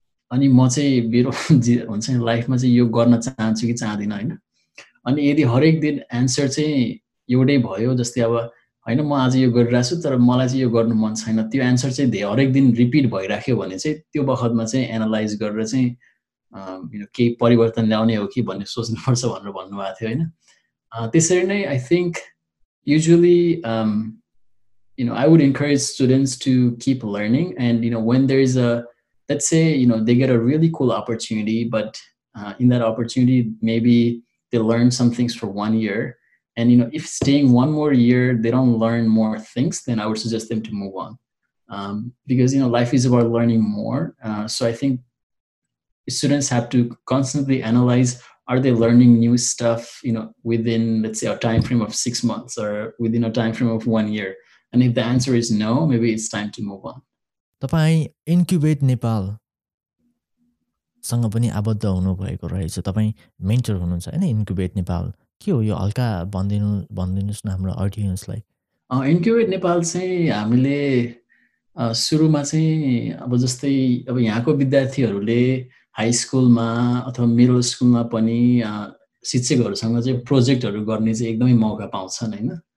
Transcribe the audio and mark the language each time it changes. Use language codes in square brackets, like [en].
[ne] अनि म चाहिँ मेरो हुन्छ नि लाइफमा चाहिँ यो गर्न चाहन्छु कि चाहदिनँ होइन अनि यदि हरेक दिन एन्सर चाहिँ एउटै भयो जस्तै अब होइन म आज यो गरिरहेको छु तर मलाई चाहिँ यो गर्नु मन छैन त्यो एन्सर चाहिँ धेरै हरेक दिन रिपिट भइराख्यो भने चाहिँ त्यो बखतमा चाहिँ एनालाइज गरेर चाहिँ केही परिवर्तन ल्याउने हो कि भन्ने सोच्नुपर्छ भनेर भन्नुभएको थियो होइन त्यसरी नै [en] I think usually you know I would encourage students to keep learning and you know when there is a Let's say, you know, they get a really cool opportunity, but in that opportunity, maybe they learn some things for 1 year. And, you know, if staying one more year, they don't learn more things, then I would suggest them to move on. Because, you know, life is about learning more. So I think students have to constantly analyze, are they learning new stuff, you know, within, let's say, a time frame of 6 months or within a time frame of 1 year? And if the answer is no, maybe it's time to move on. [ne] तपाईँ incubate नेपालसँग पनि आबद्ध हुनुभएको रहेछ तपाईँ mentor हुनुहुन्छ होइन incubate Nepal के हो यो हल्का भनिदिनुहोस् न हाम्रो अडियन्सलाई इन्क्युबेट नेपाल चाहिँ हामीले सुरुमा चाहिँ अब जस्तै अब यहाँको विद्यार्थीहरूले हाई स्कुलमा अथवा मिडल स्कुलमा पनि शिक्षकहरूसँग चाहिँ प्रोजेक्टहरू गर्ने चाहिँ एकदमै मौका पाउँछन् होइन